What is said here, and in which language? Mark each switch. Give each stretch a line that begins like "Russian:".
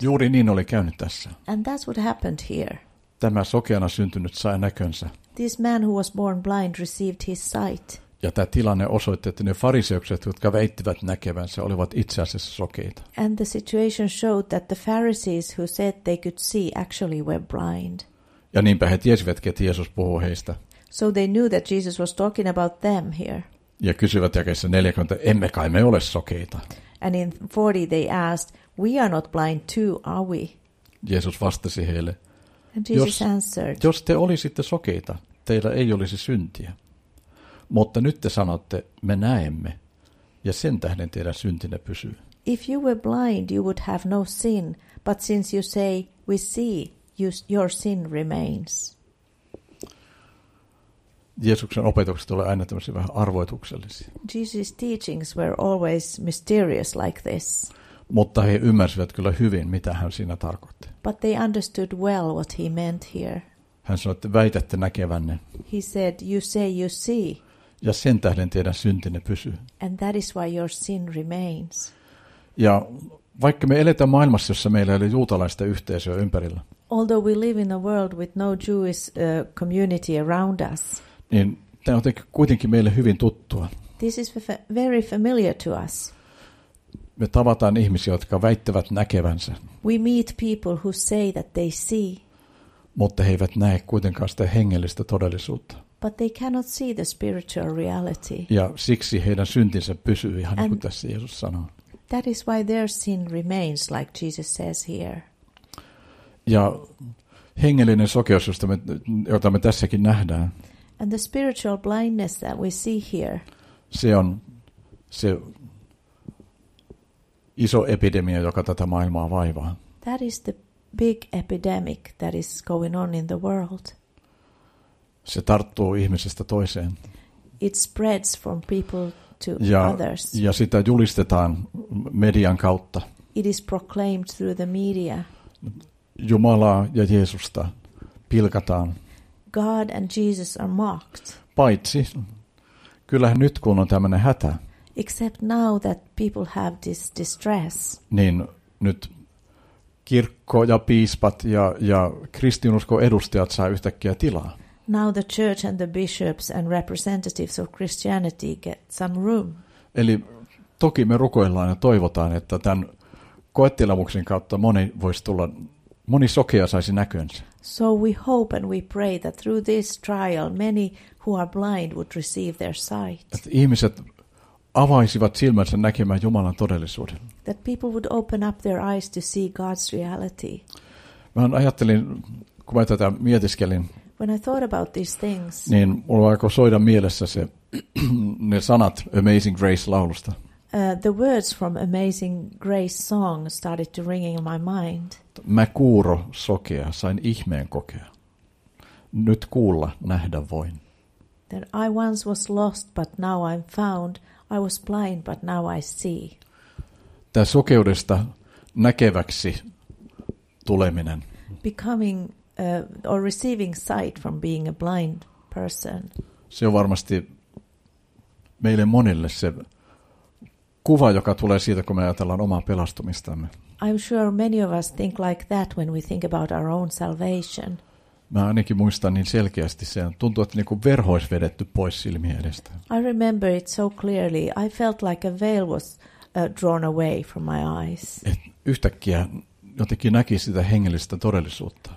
Finnish: Juuri niin oli käynyt tässä.
English: And that's what happened here.
Finnish: Tämä sokeana syntynyt sai näkönsä.
English: This man who was born blind received his sight.
Finnish: Ja tämä tilanne osoitti, että ne fariseukset, jotka väittivät näkevänsä, olivat itse asiassa sokeita.
English: And the situation showed that the Pharisees who said they could see actually were blind.
Finnish: Ja niinpä he tiesivät, että Jeesus puhuu heistä.
English: So they knew that Jesus was talking about them here.
Finnish: Ja kysyivät jakeessa 40, emme kai me ole sokeita.
English: And in 40 they asked, we are not blind too, are we?
Finnish: Jeesus vastasi heille.
English: And Jesus answered.
Finnish: Jos te olisitte sokeita, teillä ei olisi syntiä. Mutta nyt te sanotte, me näemme, ja sen tähden teidän syntinne pysyy.
English: If you were blind, you would have no sin, but since you say, we see, your sin remains.
Finnish: Jeesuksen opetukset olivat aina tämmöisiä vähän arvoituksellisia.
English: Jesus' teachings were always mysterious like this.
Finnish: Mutta he ymmärsivät kyllä hyvin, mitä hän siinä tarkoitti.
English: But they understood well what he meant here.
Finnish: Hän sanoi, että väitätte näkevänne.
English: He said, you say, you see.
Finnish: Ja sen tähden teidän syntinne pysyy.
English: And that is why your sin remains.
Finnish: Ja vaikka me eletään maailmassa, jossa meillä ei ole juutalaista yhteisöä ympärillä,
English: although we live in a world with no Jewish community around us,
Finnish: niin tämä on kuitenkin meille hyvin tuttua.
English: This is very familiar to us.
Finnish: Me tavataan ihmisiä, jotka väittävät näkevänsä.
English: We meet people who say that they see.
Finnish: Mutta he eivät näe kuitenkaan sitä hengellistä todellisuutta.
English: But they cannot see the spiritual reality.
Finnish: Ja siksi heidän syntinsä pysyy ihan niin kuin tässä Jeesus sanoo.
English: That is why their sin remains, like Jesus says here.
Finnish: Ja hengellinen sokeus, jota me tässäkin nähdään.
English: And the spiritual blindness that we see here.
Finnish: Se on se iso epidemia, joka tätä maailmaa vaivaa.
English: That is the big epidemic that is going on in the world.
Finnish: Se tarttuu ihmisestä toiseen.
English: It spreads from people to others.
Finnish: Ja sitä julistetaan median kautta.
English: It is proclaimed through the media.
Finnish: Jumalaa ja Jeesusta pilkataan.
English: God and Jesus are mocked.
Finnish: Paitsi, kyllähän nyt kun on tämmöinen hätä.
English: Except now that people have this distress.
Finnish: Niin nyt kirkko ja piispat ja kristinuskon edustajat saa yhtäkkiä tilaa.
English: Now the church and the bishops and representatives of Christianity get some room.
Finnish: Eli toki me rukoillaan ja toivotaan, että tämän koettelemuksen kautta moni voisi tulla, moni sokea saisi näkönsä.
English: So we hope and we pray that through this trial many who are blind would receive their sight.
Finnish: Et ihmiset avaisivat silmänsä näkemään Jumalan todellisuuden.
English: That people would open up their eyes to see God's reality.
Finnish: Mä ajattelin, kun mä tätä mietiskelin,
English: when I thought about these things,
Finnish: niin mulla alkoi soida mielessä se, ne sanat Amazing Grace-laulusta.
English: The words from Amazing Grace song started to ring in my mind.
Finnish: Mä kuuro sokea, sain ihmeen kokea. Nyt kuulla, nähdä voin.
English: That I once was lost, but now I'm found. I was blind, but now I see.
Finnish: Tää sokeudesta näkeväksi tuleminen.
English: Becoming or receiving sight from being a blind person.
Finnish: Se on varmasti meille monille se kuva, joka tulee siitä, kun me ajatellaan omaa pelastumistamme.
English: I'm sure many of us think like that when we think about our own salvation.
Finnish: Mä ainakin muistan niin selkeästi sen. Tuntuu, että niinku verho olisi vedetty pois silmiä edestä.
English: I remember it so clearly. I felt like a veil was drawn away from my eyes.
Finnish: Et yhtäkkiä jotenkin näki sitä hengellistä todellisuutta.